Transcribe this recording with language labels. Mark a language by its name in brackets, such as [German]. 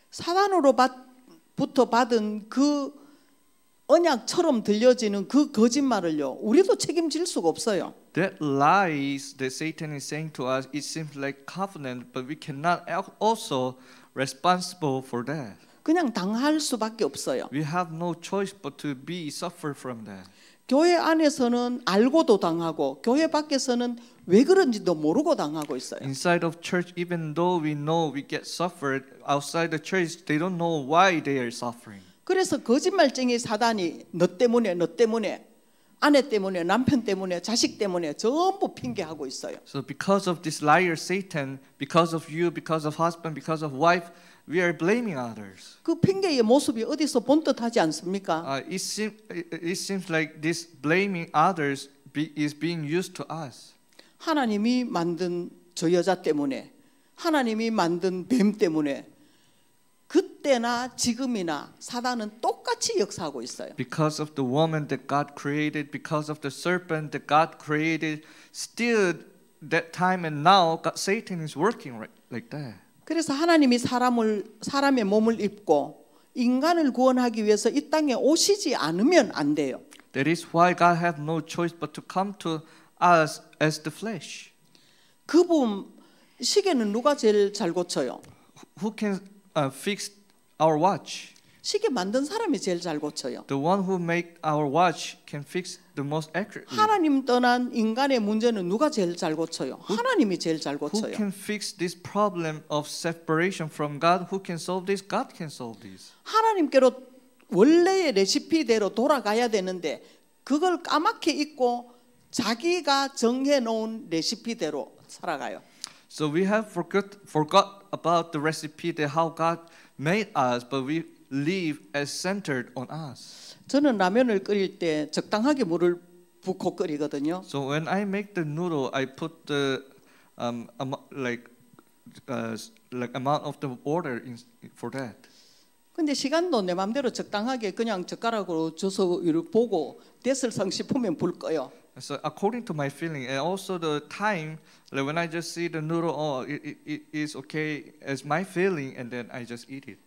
[Korean] 사단으로부터 받은 그 언약처럼 들려지는 그 거짓말을요. 우리도 책임질 수가 없어요. [English] That lies that Satan is saying to us, it seems like covenant, but we cannot also responsible for that. [Korean] 그냥 당할 수밖에 없어요. [English] We have no choice but to be suffer from that. [Korean] 교회 안에서는 알고도 당하고 교회 밖에서는 왜 그런지도 모르고 당하고 있어요. [English] Inside of church, even though we know we get suffered, outside the church, they don't know why they are suffering. [Korean] 그래서 거짓말쟁이 사단이 너 때문에 아내 때문에 남편 때문에 자식 때문에 전부 핑계하고 있어요. [English] So because of this liar Satan, because of you, because of husband, because of wife, we are blaming others. [Korean] 그 핑계의 모습이 어디서 본 듯하지 않습니까? [English] It seems like this blaming others is being used to us. [Korean] 하나님이 만든 저 여자 때문에, 하나님이 만든 뱀 때문에. 그때나 지금이나 사단은 똑같이 역사하고 있어요. [English] Because of the woman that God created, because of the serpent that God created, still that time and now God, Satan is working like that. [Korean] 그래서 하나님이 사람의 몸을 입고 인간을 구원하기 위해서 이 땅에 오시지 않으면 안 돼요. [English] That is why God has no choice but to come to us as the flesh. [Korean] 그분 시계는 누가 제일 잘 고쳐요? [English] Who can fix our watch. [Korean] 시계 만든 사람이 제일 잘 고쳐요. [English] The one who make our watch can fix the most accurately. [Korean] 하나님 떠난 인간의 문제는 누가 제일 잘 고쳐요? 하나님이 제일 잘 고쳐요. [English] Who can fix this problem of separation from God? Who can solve this? God can solve this. [Korean] 하나님께로 원래의 레시피대로 돌아가야 되는데 그걸 까맣게 잊고 자기가 정해 놓은 레시피대로 살아가요. [English] So we have forgot about the recipe that how God made us, but we live as centered on us. [Korean] 저는 라면을 끓일 때 적당하게 물을 붓고 끓이거든요. [English] So when I make the noodle, I put the like like amount of the water in for that. [Korean] 근데 시간도 내 마음대로 적당하게 그냥 젓가락으로 주소를 보고 됐을 상 싶으면 불 거요. [English] So according to my feeling, and also the time, like when I just see the noodle, oh, it is okay as my feeling, and then I just eat it.